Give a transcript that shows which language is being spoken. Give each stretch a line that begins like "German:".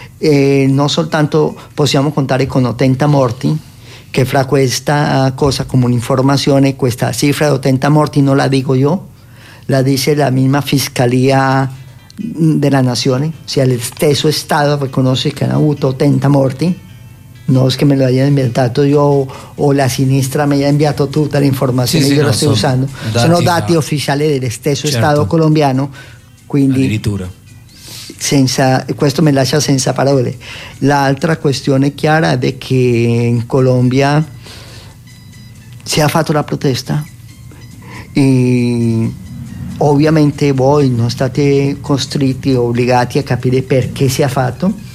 Italian: E non soltanto possiamo contare con 80 morti, che fra questa cosa come un'informazione, questa cifra di 80 morti non la dico io, la dice
Spanish: la misma
Italian: Fiscalia della Nazione,
Spanish: o sea,
Italian: lo stesso Stato riconosce che hanno avuto 80 morti.
Spanish: No es que me lo hayan inventado yo o la sinistra me haya enviado toda la información, sí, sí, y yo no, la estoy usando. Son dati oficiales del stesso, certo, Estado colombiano. Quindi,
Italian: addirittura. Senza, questo me lascia senza parole. L'altra questione chiara è che in Colombia si ha fatto la protesta e ovviamente voi non state costretti o obbligati a capire perché si è fatto.